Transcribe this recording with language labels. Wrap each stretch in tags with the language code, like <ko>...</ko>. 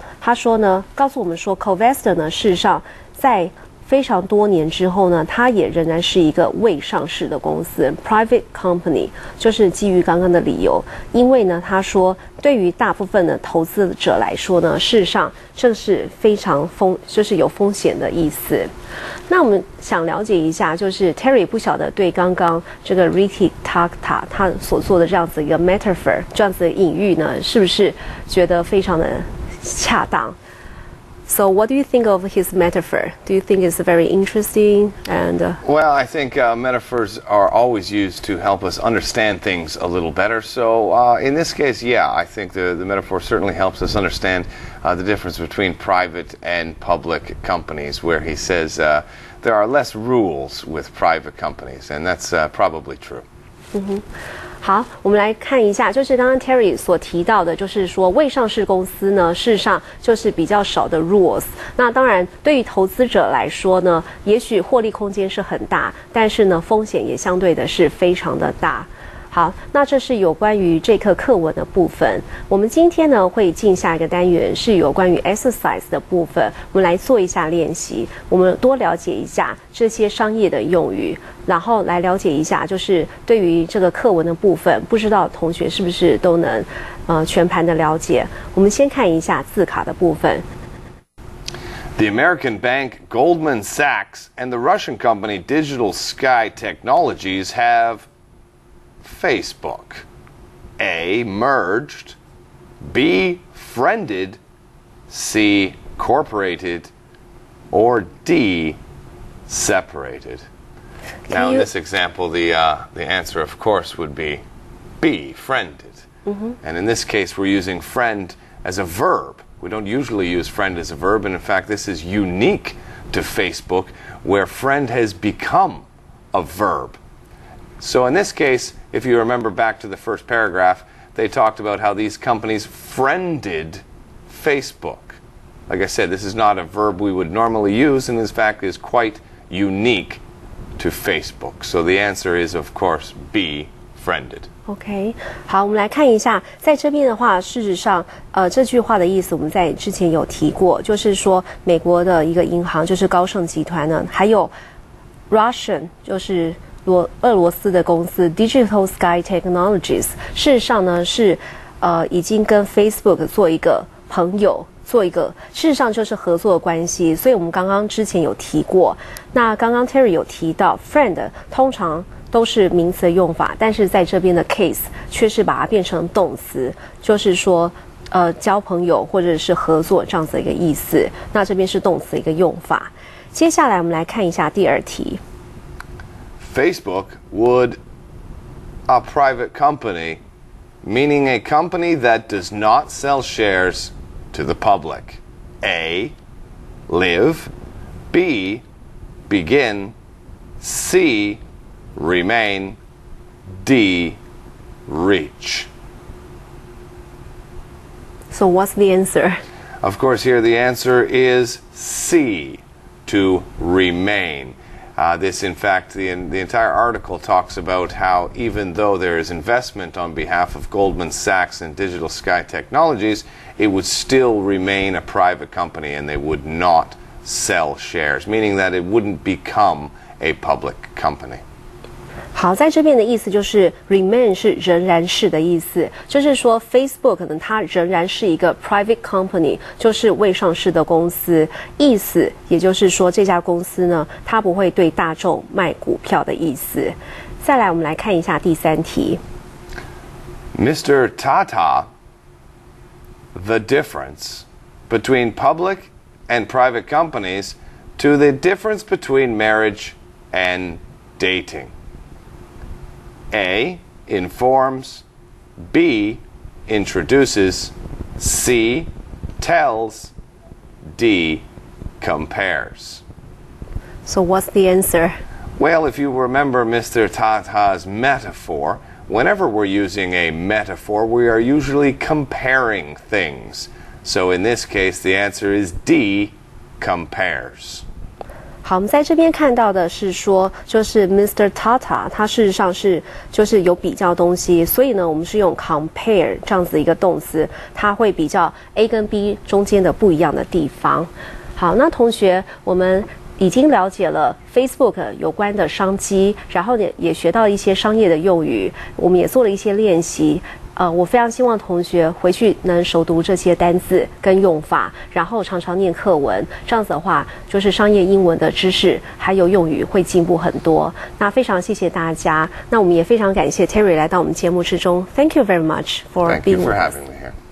<zh>他说呢，告诉我们说 ，Covester 呢，事实上在非常多年之后呢，他也仍然是一个未上市的公司 ，</zh> <en>private company，</en> <zh>就是基于刚刚的理由，因为呢，他说对于大部分的投资者来说呢，事实上这是非常风，就是有风险的意思。那我们想了解一下，就是 Terry 不晓得对刚刚这个 Ricky Tata 他所做的这样子一个 metaphor， 这样子的隐喻呢，是不是觉得非常的？恰当。</zh> <en>So what do you think of his metaphor? Do you think it's very interesting? And well, I think metaphors are always used to help us understand things a little better. So in this case, yeah, I think the metaphor certainly helps us understand the difference between private and public companies, where he says there are less rules with private companies. And that's probably true. Mm-hmm.</en> <zh>好，我们来看一下，就是刚刚 Terry 所提到的，就是说未上市公司呢，事实上就是比较少的 rules。那当然，对于投资者来说呢，也许获利空间是很大，但是呢，风险也相对的是非常的大。好，那这是有关于这课课文的部分。我们今天呢会进下一个单元，是有关于 exercise 的部分。我们来做一下练习，我们多了解一下这些商业的用语，然后来了解一下，就是对于这个课文的部分，不知道同学是不是都能全盘的了解。我们先看一下字卡的部分。</zh> <en>The American bank Goldman Sachs and the Russian company Digital Sky Technologies have Facebook. A. Merged. B. Friended. C. Corporated. Or D. Separated. Now, in this example, the answer, of course, would be B. Friended. Mm-hmm. And in this case, we're using friend as a verb. We don't usually use friend as a verb, and in fact, this is unique to Facebook, where friend has become a verb. So in this case, if you remember back to the first paragraph, they talked about how these companies friended Facebook. Like I said, this is not a verb we would normally use, and in fact, is quite unique to Facebook. So the answer is, of course, B, friended.</en> <zh>OK, 好，我们来看一下，在这边的话，事实上，这句话的意思我们在之前有提过，就是说美国的一个银行就是高盛集团呢，还有 Russian 就是俄罗斯的公司 Digital Sky Technologies， 事实上呢是已经跟 Facebook 做一个朋友，做一个事实上就是合作的关系，所以我们刚刚之前有提过，那刚刚 Terry 有提到 friend 通常。都是名词的用法，但是在这边的 case 却是把它变成动词，就是说，交朋友或者是合作这样子的一个意思。那这边是动词的一个用法。接下来我们来看一下第二题。</zh> <en>Facebook would a private company, meaning a company that does not sell shares to the public. A. Live. B. Begin. C. Remain, D, reach. So what's the answer? Of course, here the answer is C, to remain. This, in fact, the entire article talks about how even though there is investment on behalf of Goldman Sachs and Digital Sky Technologies, it would still remain a private company and they would not sell shares, meaning that it wouldn't become a public company.</en> <zh>好，在这边的意思就是 remain 是仍然是的意思，就是说 Facebook 呢，它仍然是一个</zh> <en>private company，</en> <zh>就是未上市的公司，意思也就是说这家公司呢，它不会对大众卖股票的意思。再来，我们来看一下第三题。</zh> <en>Mr. Tata, the difference between public and private companies to the difference between marriage and dating. A. Informs. B. Introduces. C. Tells. D. Compares. So what's the answer? Well, if you remember Mr. Tata's metaphor, whenever we're using a metaphor, we are usually comparing things. So in this case, the answer is D. Compares.</en> <zh>好，我们在这边看到的是说，就是 Mr. Tata， 他事实上是就是有比较东西，所以呢，我们是用 compare 这样子一个动词，它会比较 A 跟 B 中间的不一样的地方。好，那同学，我们已经了解了 Facebook 有关的商机，然后也学到一些商业的用语，我们也做了一些练习。我非常希望同学回去能熟读这些单字跟用法，然后常常念课文，这样子的话，就是商业英文的知识还有用语会进步很多。那非常谢谢大家，那我们也非常感谢 Terry 来到我们节目之中。</zh> <en>Thank you very much for being with us. Thank you for having me here.</en>